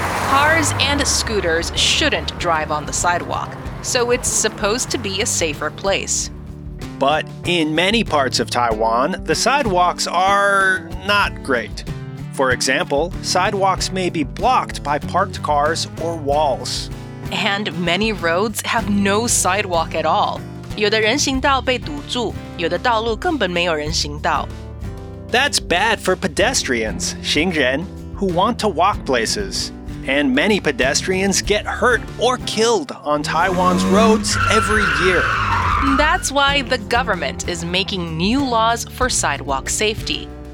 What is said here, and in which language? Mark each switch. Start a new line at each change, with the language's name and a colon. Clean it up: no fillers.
English: Cars and scooters shouldn't drive on the sidewalk, so it's supposed to be a safer place. But in many parts of Taiwan, the sidewalks are not great. For example, sidewalks may be blocked by parked cars or walls. And many roads have no sidewalk at all.
Chinese: 有的人行道被堵住，有的道路根本没有人行道。
English: That's bad for pedestrians, 行人, who want to walk places. And many pedestrians get hurt or killed on Taiwan's roads every year. That's why the government is making new laws for sidewalk safety.